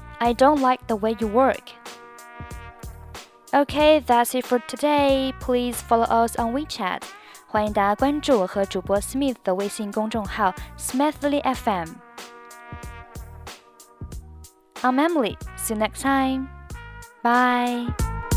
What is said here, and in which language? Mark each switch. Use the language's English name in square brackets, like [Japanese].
[English] I don't like the way you work. Okay, that's it for today. Please follow us on WeChat. [Chinese] 欢迎大家关注我和主播 Smith 的微信公众号 Smithly FM. [English] I'm Emily. See you next time. Bye.